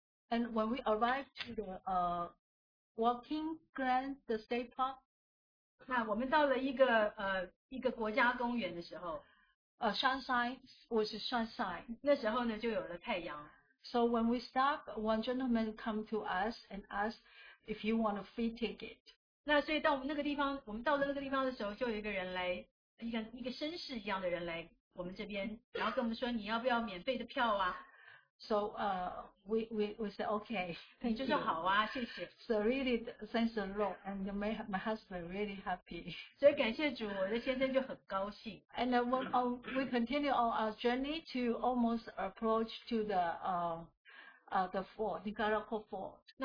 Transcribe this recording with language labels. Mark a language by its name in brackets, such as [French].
[English] And when we arrived to the Walking Grand, the state park, [Chinese] 那我们到了一个, 一个国家公园的时候, [English] sunshine, which is sunshine. [Chinese] 那时候呢, 就有了太阳。 [English] So when we stopped, one gentleman came to us and asked if you want a free ticket. [Chinese] 那所以到我们那个地方, 我们到了那个地方的时候, 就有一个人来, 一个绅士一样的人来, 我们这边, 然后跟我们说, 你要不要免费的票啊? [English] So we said okay. [Chinese] 你就说好啊，谢谢。 [English] So really, thanks a lot, and my husband really happy. [Chinese] 所以感谢主，我的先生就很高兴。 [English] And when we continue on our journey to almost approach to the fort, Nicaragua Fort.